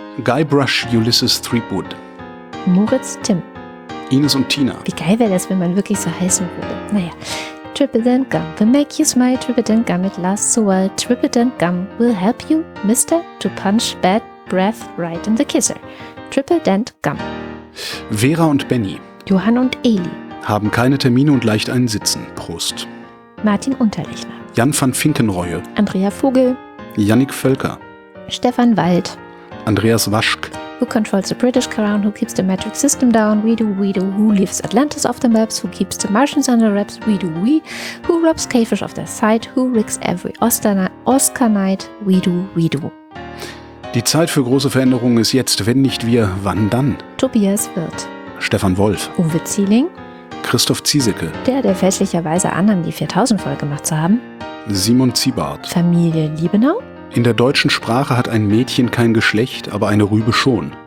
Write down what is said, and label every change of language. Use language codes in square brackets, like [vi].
[de] Guybrush Ulysses Threepwood. Moritz Timm. Ines und Tina. Wie geil wäre das, wenn man wirklich so heißen würde. Naja. [en] Triple and Gum will make you smile. Triple and Gum it lasts so well. Triple and Gum will help you, mister, to punch bad breath right in the kisser. Triple and Gum. [de] Vera und Benny. Johann und Eli. Haben keine Termine und leicht einen Sitzen. Prost. Martin Unterlechner. Jan van Finkenreue. Andrea Vogel. Yannick Völker. Stefan Wald. Andreas Waschk. [en] Who controls the British crown? Who keeps the metric system down? We do, who leaves Atlantis off the maps? Who keeps the Martians under wraps? We do, we. Who robs Cavish of their sight? Who rigs every Oscar night? We do, we do. [de] Die Zeit für große Veränderungen ist jetzt, wenn nicht wir, wann dann? Tobias Wirth. Stefan Wolf. Uwe Zieling. Christoph Ziesecke. Der fälschlicherweise annahm, die 4000-Folge gemacht zu haben. Simon Ziebart. Familie Liebenau. In der deutschen Sprache hat ein Mädchen kein Geschlecht, aber eine Rübe schon.